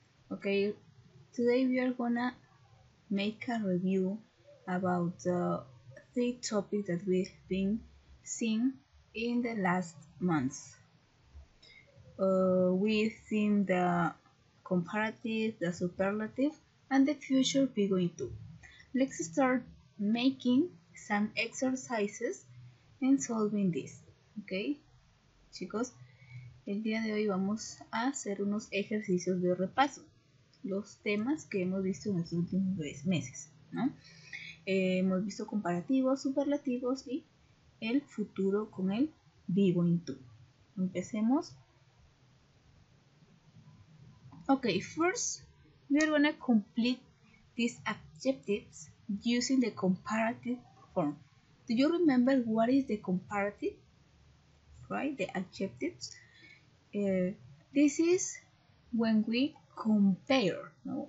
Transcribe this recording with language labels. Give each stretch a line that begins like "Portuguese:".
English: Okay, today we are gonna make a review about the three topics that we've been seeing in the last months. We've seen the comparative, the superlative, and the future we're going to. Let's start making some exercises in solving this, ¿ok?
Spanish: Chicos, el día de hoy vamos a hacer unos ejercicios de repaso, los temas que hemos visto en los últimos 3 meses, ¿no? Hemos visto comparativos, superlativos y el futuro con el be going to. Empecemos.
English: Ok, first, we are going to complete these adjectives using the comparative. Do you remember what is the comparative? Right, the adjectives. This is when we compare, no?